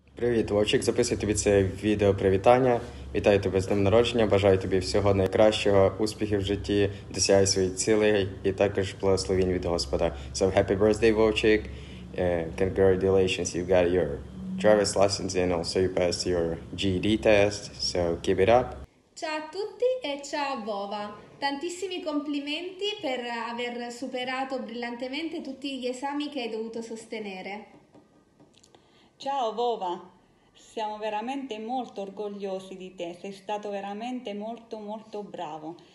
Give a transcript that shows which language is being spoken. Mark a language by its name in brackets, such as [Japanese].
[Ukrainian] Привіт, Вовчик, записую тобі це відео привітання. Вітаю тебе з днем народження, бажаю тобі всього найкращого, успіхів в житті, досягай своїх цілей і також благословінь від Господа. [English] So happy birthday, Вовчик. Congratulations, you got your driver's license and also you passed your GED test. So keep it up. [Italian] Ciao a tutti e ciao a Vova. Tantissimi complimenti per aver superato brillantemente tutti gli esami che hai dovuto sostenere. Ciao Vova, siamo veramente molto orgogliosi di te, sei stato veramente molto molto bravo.